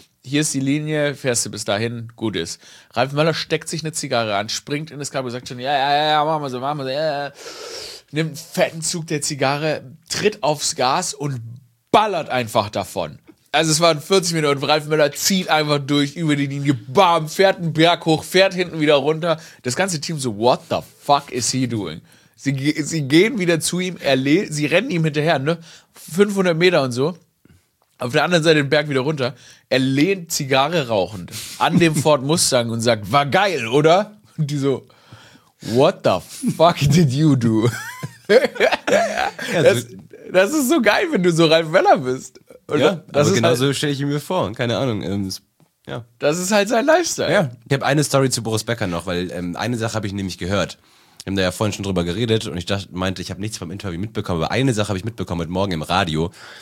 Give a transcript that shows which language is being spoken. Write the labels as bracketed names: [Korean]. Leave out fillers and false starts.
[German] Hier ist die Linie, fährst du bis dahin, gut ist. Ralf Möller steckt sich eine Zigarre an, springt in das Kabel, sagt schon, ja, machen wir so, nimmt einen fetten Zug der Zigarre, tritt aufs Gas und ballert einfach davon. Also es waren 40 Minuten und Ralf Möller zieht einfach durch über die Linie, bam, fährt einen Berg hoch, fährt hinten wieder runter. Das ganze Team so, [English] what the fuck is he doing? [German] Sie gehen wieder zu ihm, sie rennen ihm hinterher, ne? 500 Meter und so. Auf der anderen Seite den Berg wieder runter. Er lehnt Zigarre rauchend an dem Ford Mustang und sagt, war geil, oder? Und die so, [English] what the fuck did you do? [German] Das ist so geil, wenn du so Ralf Möller bist. Oder? Ja, das aber genau so halt, stelle ich ihn mir vor. Keine Ahnung. Ja. Das ist halt sein Lifestyle. Ja. Ich habe eine Story zu Boris Becker noch, weil eine Sache habe ich nämlich gehört. Wir haben da ja vorhin schon drüber geredet und ich habe nichts vom Interview mitbekommen, aber eine Sache habe ich mitbekommen heute Morgen im Radio.